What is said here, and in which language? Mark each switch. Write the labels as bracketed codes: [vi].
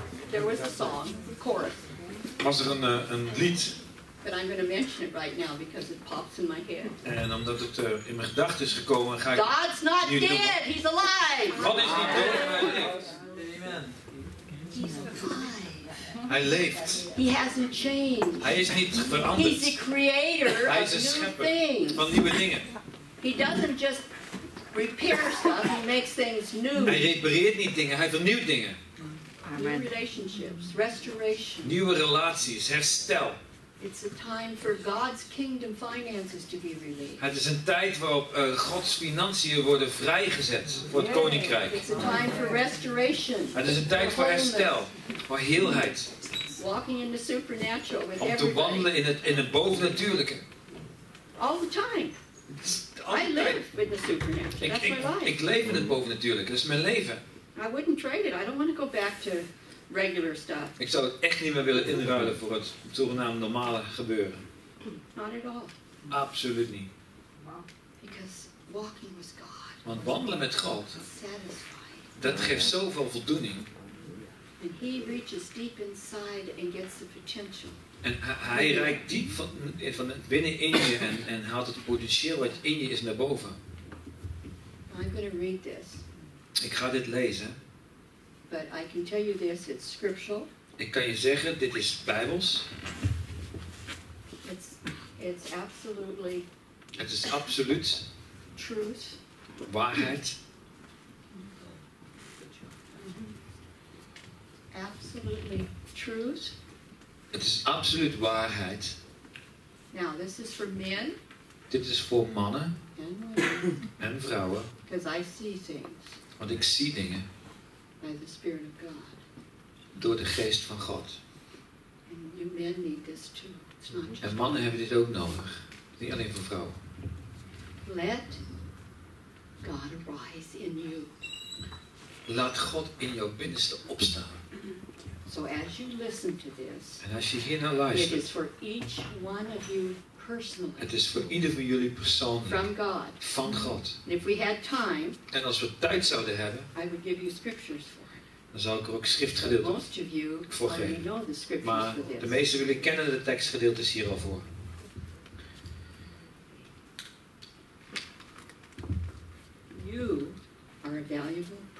[en] There was a song, a chorus. [nl] Was er een lied? [en] But I'm going to mention it right now because it pops in my head. [nl] En omdat het in mijn gedachten is gekomen, ga ik. [en] God's not dead. [nl] Noemen. [en] He's alive. [nl] God is niet dood, maar hij leeft. Hij leeft. [en] He hasn't changed. [nl] Hij is niet veranderd. [en] He's the creator of [nl] hij is de schepper van nieuwe dingen. [en] He doesn't just repair stuff, he makes things new. [nl] Hij repareert niet dingen, hij vernieuwt dingen. [en] New relationships, restoration. [nl] Nieuwe relaties, herstel. [en] It's a time for God's kingdom finances to be released. [nl] Het is een tijd waarop Gods financiën worden vrijgezet voor het koninkrijk. [en] It's a time for restoration. [nl] Het is een tijd voor herstel, voor heelheid. [en] Walking in the supernatural with everybody. [nl] Om te wandelen in het bovennatuurlijke. [en] All the time. I live with the supernatural. That's my life. [nl] Ik leef in het bovennatuurlijke. Dat is mijn leven. [en] I wouldn't trade it. I don't want to go back to. Regular stuff. [nl] Ik zou het echt niet meer willen inruilen voor het zogenaamde normale gebeuren. [en] Not at all. [nl] Absoluut niet. [en] Because walking with God. [nl] Want wandelen met God. Dat geeft zoveel voldoening. [en] And he reaches deep inside and gets the potential. [nl] En hij reikt diep van binnen in je en haalt het potentieel wat in je is naar boven. [en] I'm gonna read this. [nl] Ik ga dit lezen. [en] But I can tell you this, it's scriptural. [nl] Ik kan je zeggen, dit is Bijbels. [en] It's absolutely. [nl] Het is absoluut. [en] Truth. [nl] Waarheid. [en] Absolutely truth. [nl] Het is absoluut waarheid. [en] Now, this is for men. [nl] Dit is voor mannen. [en] And women. [nl] En vrouwen. [en] Because I see things. [nl] Want ik zie dingen. [en] By the Spirit of God. [nl] Door de geest van God. [en] And you men need this too. It's not just [nl] en mannen hebben dit ook nodig. Niet alleen voor vrouwen. [en] Let God arise in you. [nl] Laat God in jouw binnenste opstaan. [en] So as you listen to this, [nl] en als je hier naar luistert. [en] It is for each one of you personally. [nl] Het is voor ieder van jullie persoonlijk. [en] From God. [nl] Van God. [en] And if we had time, [nl] en als we tijd zouden hebben. [en] I would give you scriptures for it. [nl] Dan zou ik er ook schriftgedeelte voor geven. Maar de meeste jullie kennen de tekstgedeeltes hier al voor. [en] You are a valuable person.